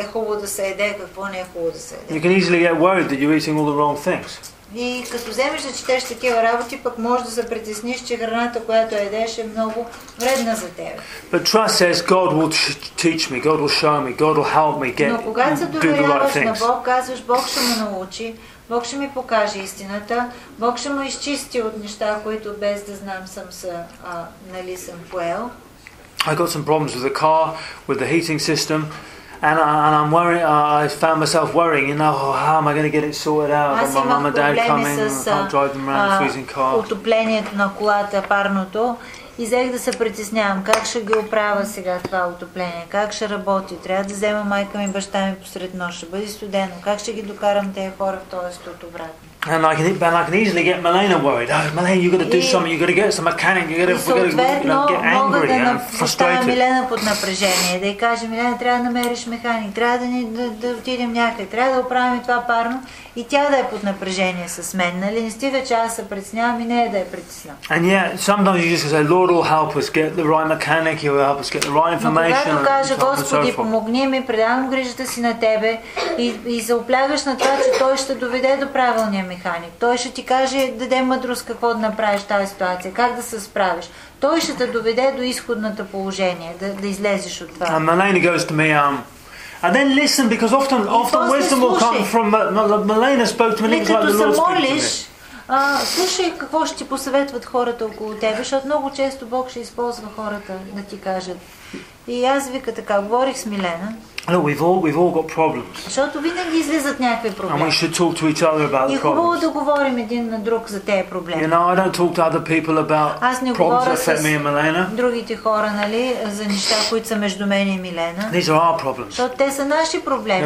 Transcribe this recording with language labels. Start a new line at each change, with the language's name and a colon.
Bulgarian: е хубаво да се еде, какво не е хубаво да се еде.
English: You can easily get worried that you're eating all the wrong things.
Bulgarian: И като вземеш да четеш такива работи, пък може да се притесниш, че храната, която едеш, е много вредна за теб.
English: But trust says God will teach me, God will show me, God will help me get.
Bulgarian: Но когато се доверяваш на Бог, казваш, Бог ще ме научи, Бог ще ми покаже истината, Бог ще ме изчисти от неща, които без да знам съм се, нали, съм поел.
English: I got some problems with the car, with the heating system, and I'm worrying. I found myself worrying. You know, oh, how am I going to get it sorted out?
Bulgarian: Аз
English: my mom and dad coming.
Bulgarian: С,
English: I can't drive them around the freezing car.
Bulgarian: Отоплението на колата, парното. И взех да се притеснявам. Как ще ги оправя сега това отопление? Как ще работи? Трябва да взема майка ми, баща ми посред нощ. Ще бъде студено. Как ще ги докарам тези хора в този студ обратно?
English: And I can easily get Melena worried. Oh, Melena, you got to do something. You got to get some mechanic. You got to get angry and frustrated.
Bulgarian: Да Милена под напрежение. Да й каже, Милена, трябва да намериш механик. Трябва да отидем някъде. Трябва да оправим това парно. И тя да е под напрежение с мен. Нали? Не стига, че аз се притеснявам и нея да е притесна.
English: And yeah, sometimes you just say, Lord will help us get the right mechanic. He will help us get the right information.
Bulgarian: Но когато каже, Господи, помогни ми, предавам грижата си на Тебе и заоплягаш на това, че Той ще доведе до правилния механик. Той ще ти каже, даде мъдрост какво да направиш в тази ситуация, как да се справиш. Той ще те доведе до изходното положение, да излезеш от това.
English: And the lady goes to me, and then listen, because often wisdom will come from Malena spoke to me, like the Lord spoke to me.
Bulgarian: Слушай какво ще ти посъветват хората около тебе, защото много често Бог ще използва хората да ти кажат. И аз вика така, говорих с Милена.
English: Look, we've all got problems.
Bulgarian: Защото винаги излизат някакви проблеми.
English: And we should talk to each other about the problems.
Bulgarian: И хубаво да говорим един на друг за тези проблеми.
English: You know, I don't talk to other people about problems that affect me and Milena.
Bulgarian: Другите хора, нали, за неща, които са между мен и Милена.
English: These are our problems.
Bulgarian: Защото те са наши проблеми.